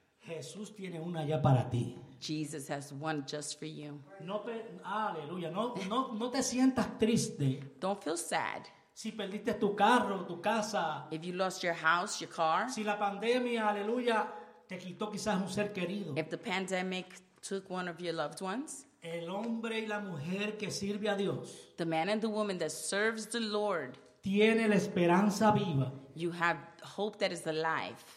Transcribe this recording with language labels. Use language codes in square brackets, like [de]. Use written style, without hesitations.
[es] Jesús tiene una ya para ti. [en] Jesus has one just for you. [es] Aleluya. No te sientas triste. [en] Don't feel sad. [es] Si perdiste tu carro, tu casa. [en] If you lost your house, your car. [es] Si la pandemia, aleluya, te quitó quizás un ser querido. [en] If the pandemic took one of your loved ones. [es] El hombre y la mujer que sirve a Dios. [en] The man and the woman that serves the Lord. [es] Tiene la esperanza viva. [en] You have hope that is alive.